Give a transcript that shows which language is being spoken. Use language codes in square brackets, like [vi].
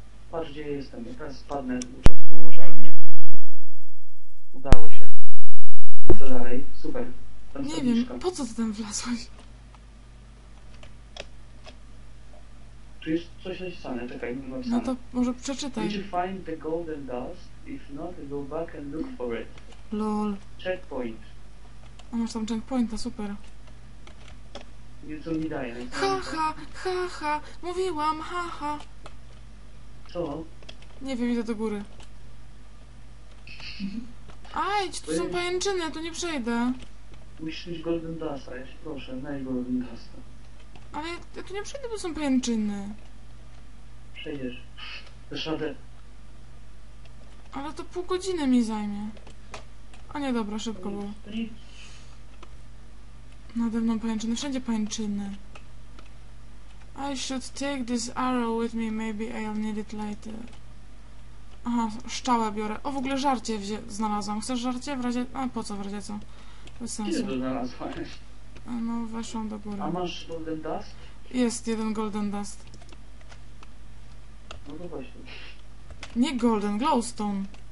[pl] Patrz, gdzie jestem. Jak teraz spadnę, po prostu żalnie. Udało się. I co dalej? Super. Tam nie wiem, po co ty tam wlazłeś? Czujesz coś napisane? Czekaj, nie mam napisane. No to może przeczytaj. [en] Did you find the golden dust? If not, go back and look for it. Lol. Checkpoint. [pl] A masz tam checkpointa, super. Nieco mi daje. Ha, ha, ha, ha. Mówiłam, ha, ha. Co? Nie wiem, idę do góry. Aj, tu są pajęczyny, tu nie przejdę. Musisz mieć golden dusta, ja się proszę, naj golden dusta. Ale ja tu nie przejdę, bo są pajęczyny. Przejdziesz. Zeszadę. Ale to pół godziny mi zajmie. A nie, dobra, szybko było. Nade mną pajęczyny, wszędzie pajęczyny. [en] I should take this arrow with me, maybe I'll need it later. [pl] Aha, szczałę biorę. O, w ogóle żarcie znalazłam. Chcesz żarcie? W razie... A, po co w razie co? Bez sensu. Gdzie to znalazłaś? A no, weszłam do góry. A masz golden dust? Jest jeden golden dust. No to właśnie. Nie golden, glowstone.